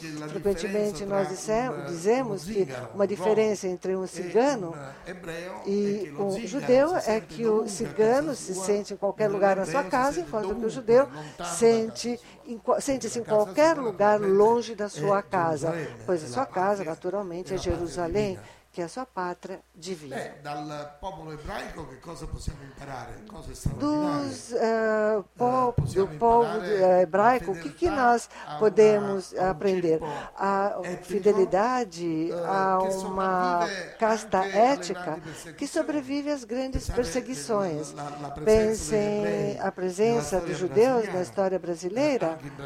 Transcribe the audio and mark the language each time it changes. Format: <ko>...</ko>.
<pt>Frequentemente nós dizemos que uma diferença entre um cigano e um judeu é que o cigano se sente em qualquer lugar na sua casa, enquanto que o judeu sente-se em qualquer lugar longe da sua casa, pois a sua casa, naturalmente, é Jerusalém. Que é a sua pátria divina.</pt> <it>Beh, dal popolo ebraico che cosa possiamo imparare? Cose straordinarie.</it> <pt>Do povo ebraico, o que nós podemos aprender? A fidelidade a uma casta ética que sobrevive às grandes perseguições. Pensem a presença dos judeus na história brasileira.</pt>